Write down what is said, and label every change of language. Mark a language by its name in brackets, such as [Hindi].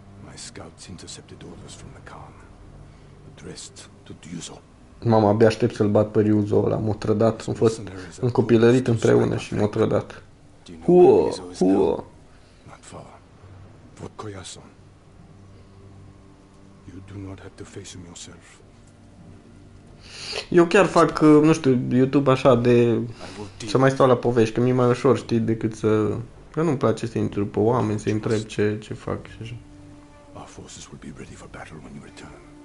[English] My scouts intercepted orders from the Khan, addressed to Duzo. [Romanian] Mama, abia aștept să-l bat pe Ryuzo ăla. M-a trădat, sunt fost încopilărit împreună și m-a trădat. Huo, huo. [English] Not far. Fort Koyasan. You do not have to face him yourself. [Romanian] Eu chiar fac, nu știu, YouTube așa de... să mai stau la povești, că mi-e mai ușor, știi, decât să... că nu-mi place să intru pe oameni, să-i întreb ce fac și așa. [English] Our forces will be ready for battle when you return.